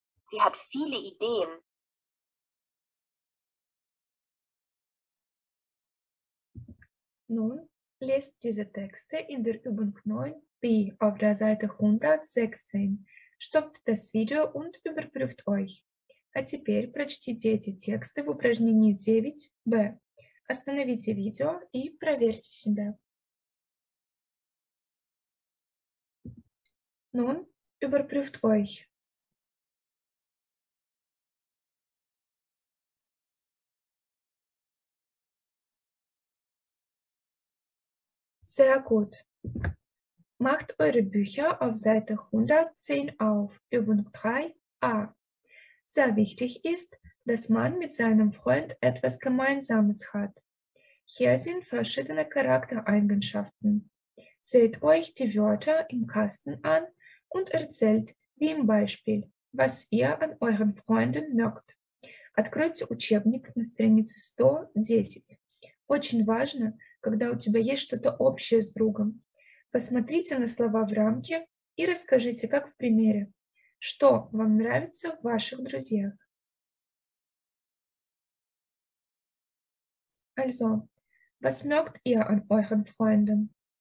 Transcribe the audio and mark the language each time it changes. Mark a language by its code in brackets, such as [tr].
[de] Sie hat viele Ideen. Nun lest diese Texte in der Übung 9b auf der Seite 116. Stoppt das Video und überprüft euch. [ru] А теперь прочтите эти тексты в упражнении 9b. Остановите видео и проверьте себя. [de] Nun überprüft euch. Sehr gut. Macht eure Bücher auf Seite 110 auf. Übung 3a. Sehr wichtig ist, dass man mit seinem Freund etwas Gemeinsames hat. Hier sind verschiedene Charaktereigenschaften. Seht euch die Wörter im Kasten an und erzählt, wie im Beispiel, was ihr an euren Freunden mögt. [ru] Откройте учебник на странице 110. Очень важно, когда у тебя есть что-то общее с другом. Посмотрите на слова в рамке и расскажите, как в примере, что вам нравится в ваших друзьях. [de] Also, was mögt ihr an euren Freunden?